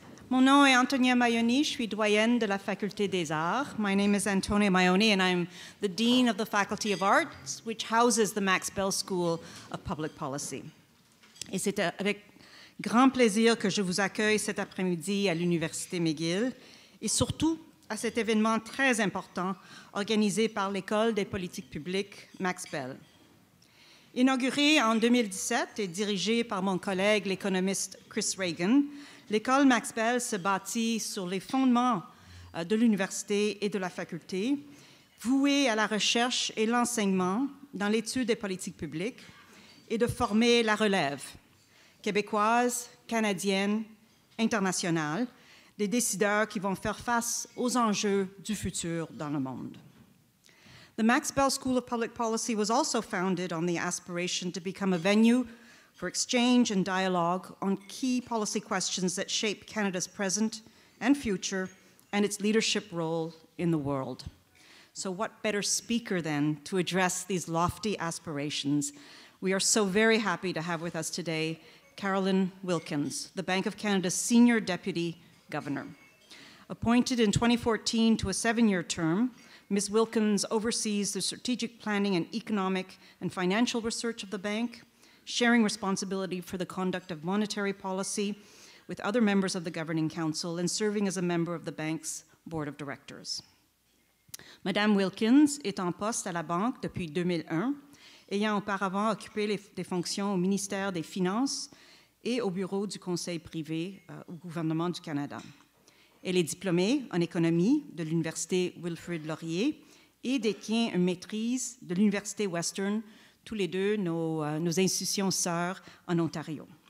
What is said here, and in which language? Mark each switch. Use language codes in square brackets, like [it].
[fr] Mon nom est Antonia Maioni, je suis doyenne de la Faculté des Arts. [en] My name is Antonia Maioni, and I'm the Dean of the Faculty of Arts, which houses the Max Bell School of Public Policy. [fr] Et c'est avec grand plaisir que je vous accueille cet après-midi à l'Université McGill, et surtout à cet événement très important organisé par l'École des politiques publiques Max Bell. Inauguré en 2017 et dirigé par mon collègue l'économiste Chris Reagan, l'école Max Bell se bâtit sur les fondements de l'université et de la faculté, vouée à la recherche et l'enseignement dans l'étude des politiques publiques et de former la relève québécoise, canadienne, internationale, des décideurs qui vont faire face aux enjeux du futur dans le monde. [en] The Max Bell School of Public Policy was also founded on the aspiration to become a venue for exchange and dialogue on key policy questions that shape Canada's present and future and its leadership role in the world. So what better speaker then to address these lofty aspirations? We are so very happy to have with us today Carolyn Wilkins, the Bank of Canada's Senior Deputy Governor. Appointed in 2014 to a 7-year term, Ms. Wilkins oversees the strategic planning and economic and financial research of the bank, sharing responsibility for the conduct of monetary policy with other members of the Governing Council and serving as a member of the bank's Board of Directors. [fr] Madame Wilkins est en poste à la banque depuis 2001, ayant auparavant occupé des fonctions au ministère des Finances et au bureau du Conseil privé au gouvernement du Canada. Elle est diplômée en économie de l'Université Wilfrid Laurier et détient une maîtrise de l'Université Western, tous les deux nos institutions sœurs en Ontario.